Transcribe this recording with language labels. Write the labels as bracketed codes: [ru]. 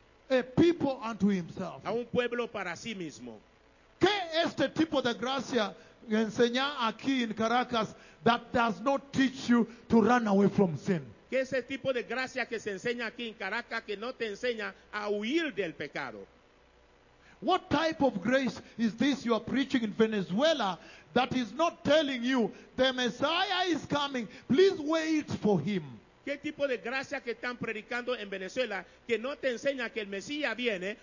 [en] A people unto himself. [es] A un pueblo para sí mismo. ¿Qué este tipo de gracia enseña aquí en Caracas [en] that does not teach you to run away from sin? [es] ¿Qué es el tipo de gracia que se enseña aquí en Caracas que no te enseña a huir del pecado? [en] What type of grace is this you are preaching in Venezuela that is not telling you the Messiah is coming? Please wait for him. [es] ¿Qué tipo de gracia que están predicando en Venezuela que no te enseña que el Mesías viene?